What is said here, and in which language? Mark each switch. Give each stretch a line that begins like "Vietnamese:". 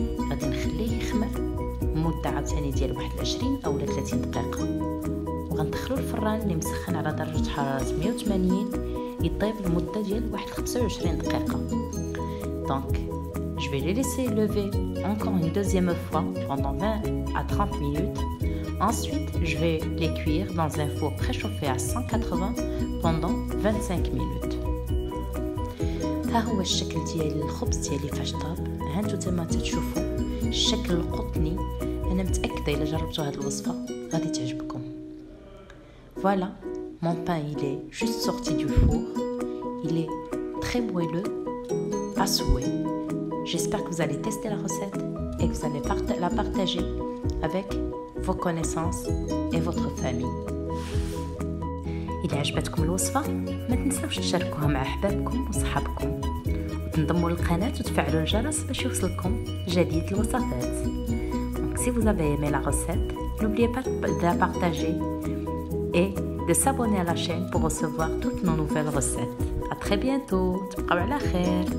Arabic: غادي نخليه يخمر مده عاوتاني ديال 21 او 30 دقيقه وغندخلو الفران اللي مسخن على درجه حراره 180 يطيب لمده ديال 25 دقيقه.
French: Donc, je vais les laisser lever encore une deuxième fois pendant 20 à 30 minutes. Ensuite, je vais les cuire dans un four préchauffé à 180 pendant 25 minutes.
Arabic: Ça هو الشكل ديال الخبز ديالي فاش طاب. ها انتو تما تشوفوا الشكل القطني. انا متاكده الا جربتوا هذه الوصفه غادي تعجبكم.
French: Voilà, mon pain il est juste sorti du four. Il est très moelleux à souhait. J'espère que vous allez tester la recette et que vous allez la partager avec vos connaissances et votre famille.
Arabic: إلى عجبتكم الوصفة ما تنسوش تشاركوها مع أحبابكم وصحابكم وتنضموا للقناة وتفعلوا الجرس باش يوصلكم جديد الوصفات.
French: Donc, si vous avez aimé la recette, n'oubliez pas de la partager et de s'abonner à la chaîne pour recevoir toutes nos nouvelles recettes. À très bientôt,
Arabic: تبقوا على خير.